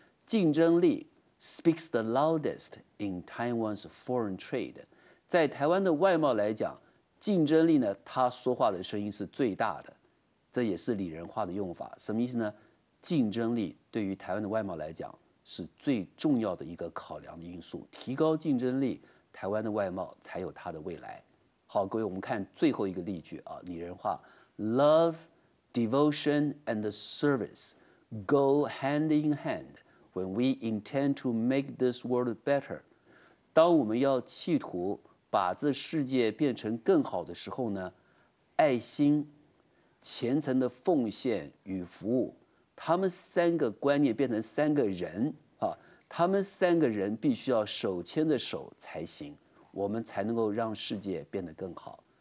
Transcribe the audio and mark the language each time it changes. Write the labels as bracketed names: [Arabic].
[Chinese] 竞争力 [English] speaks the loudest in Taiwan's foreign trade， [Chinese] 在台湾的外贸来讲，竞争力呢，它说话的声音是最大的，这也是拟人化的用法。什么意思呢？竞争力对于台湾的外贸来讲是最重要的一个考量的因素，提高竞争力，台湾的外贸才有它的未来。好，各位，我们看最后一个例句啊，拟人化 love。 [English] Devotion and service go hand in hand when we intend to make this world better. [Chinese] 当我们要企图把这世界变成更好的时候呢，爱心、虔诚的奉献与服务，他们三个观念变成三个人啊，他们三个人必须要手牵着手才行，我们才能够让世界变得更好。